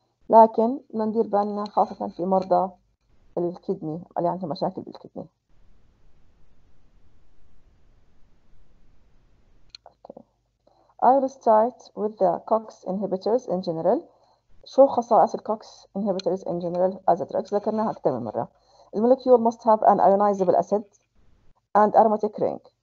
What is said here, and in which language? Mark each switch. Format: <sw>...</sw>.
<ar>لكن ندير بالنا خاصة في مرضى الكدني اللي عندهم مشاكل بالكدني.</ar> <en>Okay, I will start with the COX inhibitors in general.</en> <ar>شو خصائص الكوكس inhibitors</ar> <en>in general as a drug؟</en> <ar>ذكرناها أكثر من مرة.</ar> <en>The molecule must have an ionizable acid and aromatic ring.</en>